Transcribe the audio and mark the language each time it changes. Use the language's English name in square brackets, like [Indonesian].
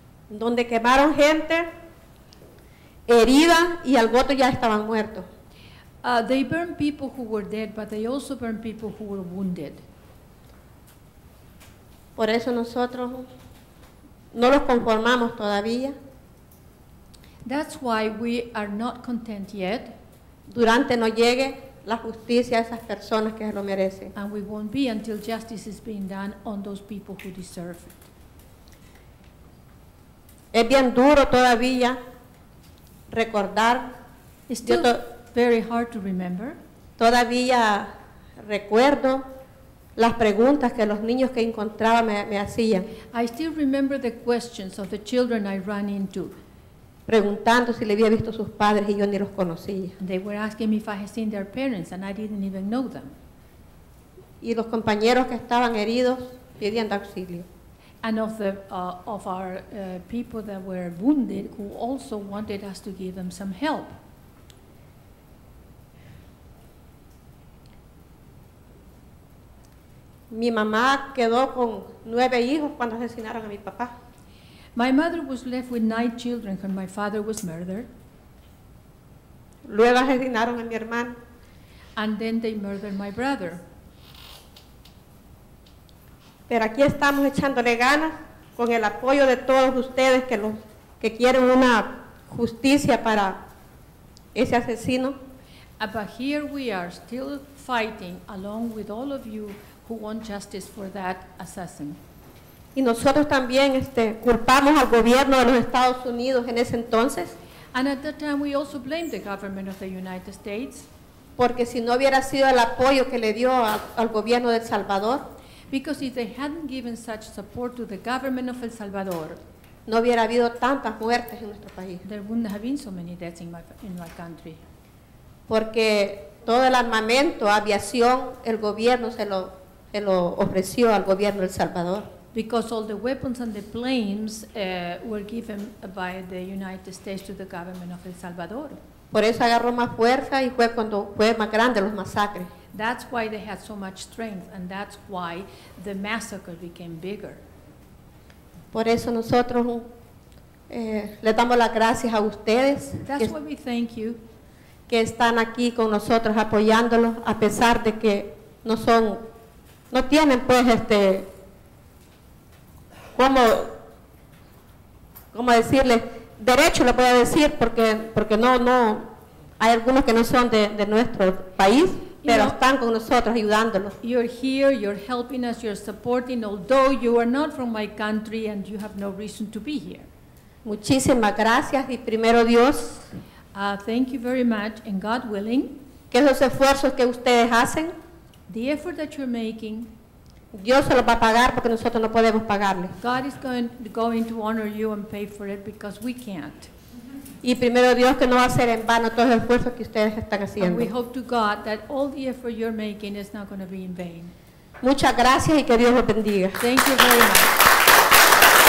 [Spanish] Donde quemaron gente herida y al voto ya estaban muertos. [English] They burned people who were dead, but they also burned people who were wounded. [Spanish] Por eso nosotros no los conformamos todavía. [English] That's why we are not content yet. [Spanish] Durante no llegue la justicia a esas personas que lo merecen. [English] And we won't be until justice is being done on those people who deserve it. [Spanish] Es bien duro todavía recordar. [English] It's still very hard to remember. [Spanish] Todavía recuerdo las preguntas que los niños que encontraba me hacían. [English] I still remember the questions of the children I ran into. [Spanish] Preguntando si le había visto a sus padres y yo ni los conocía. [English] They were asking me if I had seen their parents and I didn't even know them. [Spanish] Y los compañeros que estaban heridos pidiendo auxilio. [English] And of our people that were wounded who also wanted us to give them some help. [Spanish] Mi mamá quedó con 9 hijos cuando asesinaron a mi papá. [English] My mother was left with 9 children when my father was murdered. [Spanish] Luego asesinaron a mi hermano. [English] And then they murdered my brother. [Spanish] Pero aquí estamos echándole ganas con el apoyo de todos ustedes que quieren una justicia para ese asesino. [English] But here we are still fighting along with all of you who want justice for that assassin. [Spanish] Y nosotros también culpamos al gobierno de los Estados Unidos en ese entonces. [English] And at that time we also blamed the government of the United States. [Spanish] Porque si no hubiera sido el apoyo que le dio al gobierno de El Salvador. [English] Because if they hadn't given such support to the government of El Salvador, [Spanish] no hubiera habido tantas muertes en nuestro país. [English] There wouldn't have been so many deaths in my country. [Spanish] Porque todo el armamento, aviación, el gobierno se lo ofreció al gobierno de El Salvador. [English] Because all the weapons and the planes were given by the United States to the government of El Salvador. [Spanish] Por eso agarró más fuerza y fue cuando fue más grande los masacres. [English] That's why they had so much strength and that's why the massacre became bigger. [Spanish] Por eso nosotros le damos las gracias a ustedes. [English] That's why we thank you. [Spanish] Que están aquí con nosotros apoyándolos a pesar de que no tienen pues cómo decirle, derecho lo puedo decir porque no hay algunos que no son de nuestro país. Pero están con nosotros ayudándonos. [English] You're here, you're helping us, you're supporting, although you are not from my country and you have no reason to be here. [Spanish] Muchísimas gracias y primero Dios. [English] Thank you very much and God willing. [Spanish] Que esos esfuerzos que ustedes hacen. [English] The effort that you're making. [Spanish] Dios se los va a pagar porque nosotros no podemos pagarle. [English] God is going to honor you and pay for it because we can't. [Spanish] Y primero Dios que no va a ser en vano todos los esfuerzos que ustedes están haciendo. [English] And we hope to God that all the effort you're making is not going to be in vain. [Spanish] Muchas gracias y que Dios los bendiga. [English] Thank you very much.